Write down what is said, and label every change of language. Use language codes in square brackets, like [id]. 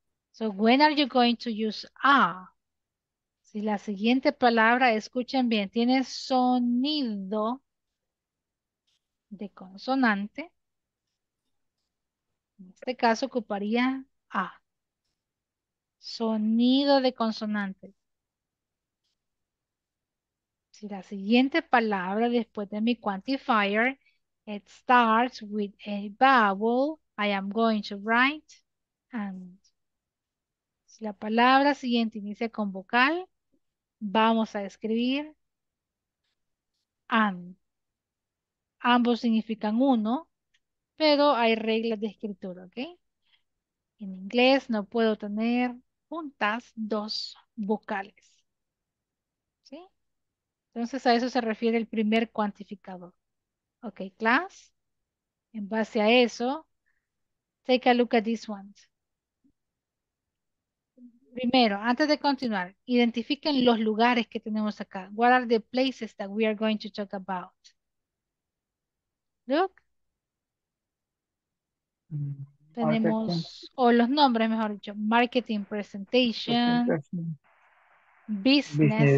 [en] So when are you going to use a? [es] Si la siguiente palabra, escuchen bien, tiene sonido de consonante, en este caso ocuparía a. Sonido de consonante. Si la siguiente palabra después de mi [en] quantifier, it starts with a vowel, I am going to write. [es] And si la palabra siguiente inicia con vocal, vamos a escribir and. Ambos significan uno, pero hay reglas de escritura, ¿ok? En inglés no puedo tener juntas dos vocales, ¿sí? Entonces a eso se refiere el primer cuantificador. [en] ¿Ok, class? [es] En base a eso, [en] take a look at this one. [es] Primero, antes de continuar, identifiquen los lugares que tenemos acá. [en] What are the places that we are going to talk about? Look. [es] Tenemos, o los nombres, mejor dicho, [en] marketing presentation, [es] business.